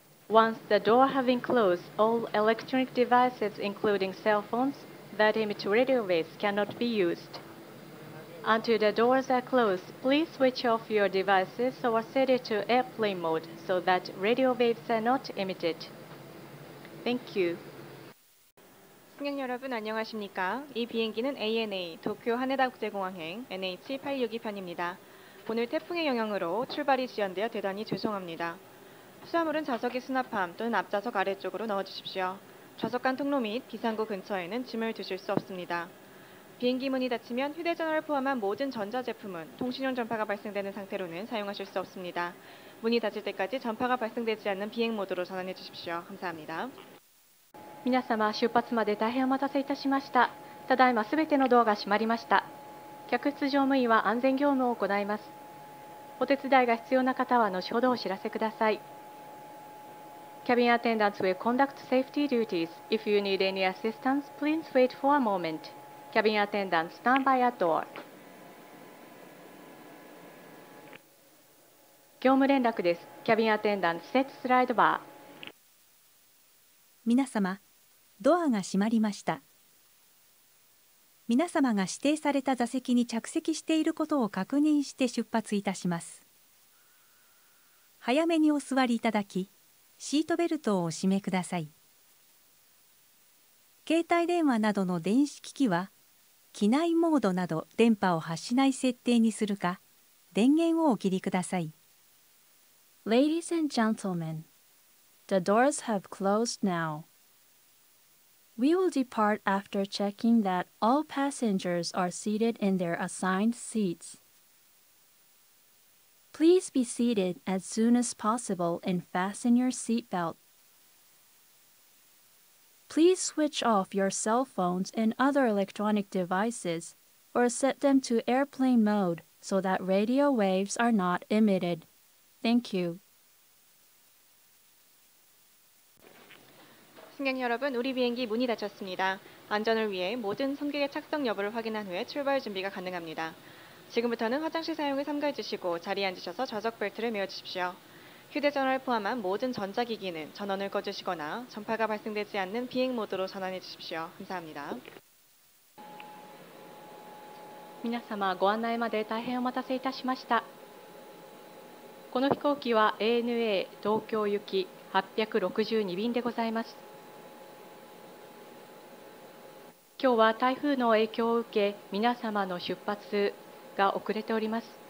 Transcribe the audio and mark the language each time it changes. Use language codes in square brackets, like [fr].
[en] Once the door has been closed, all electronic devices, including cell phones,that emit radio waves cannot be used. Until the doors are closed, please switch off your devices or set it to airplane mode so that radio waves are not emitted. Thank you. [ko] 승객 여러분 안녕하십니까? 이 비행기는 ANA 도쿄 하네다 국제공항행 NH862편입니다. 오늘 태풍의 영향으로 출발이 지연되어 대단히 죄송합니다. 수화물은 좌석의 수납함 또는 앞좌석 아래쪽으로 넣어주십시오. 좌석 간 통로 및 비상구 근처에는 짐을 두실 수 없습니다. 비행기 문이 닫히면 휴대전화를 포함한 모든 전자제품은 통신용 전파가 발생되는 상태로는 사용하실 수 없습니다. 문이 닫힐 때까지 전파가 발생되지 않는 비행 모드로 전환해 주십시오. 감사합니다. [ja] 皆様, 出発まで [ko] 대단히 [ja] お待たせいたしました.ただいま 全ての ドアが 閉まりました. 客室乗務員は 安全業務を 行います.お手伝いが 必要な 方は 後ほど お知らせください. [en] Cabin attendants will conduct safety duties. If you need any assistance, please wait for a moment. Cabin attendants, stand by at door. [ja] 業務連絡です。 [en] Cabin attendants, set slide bar. [ja] 皆様、ドアが閉まりました。皆様が指定された座席に着席していることを確認して出発いたします。早めにお座りいただき、シートベルトをお締めください。携帯電話などの電子機器は、機内モードなど電波を発しない設定にするか、電源をお切りください。 [en] Ladies and gentlemen, the doors have closed now. We will depart after checking that all passengers are seated in their assigned seats. Please be seated as soon as possible and fasten your seatbelt. Please switch off your cell phones and other electronic devices or set them to airplane mode so that radio waves are not emitted. Thank you. [ko] 승객 여러분, 우리 비행기 문이 닫혔습니다. 안전을 위해 모든 승객의 착석 여부를 확인한 후에 출발 준비가 가능합니다. 지금부터는 화장실 사용을 삼가해 주시고 자리에 앉으셔서 좌석 벨트를 메워주십시오. 휴대전화를 포함한 모든 전자기기는 전원을 꺼주시거나 전파가 발생되지 않는 비행 모드로 전환해 주십시오. 감사합니다. [ja] 皆様, ご案内まで大変お待たせいたしました.この飛行機は ANA 東京行き 862便でございます. 今日は台風の影響を受け 皆様の出発が遅れております。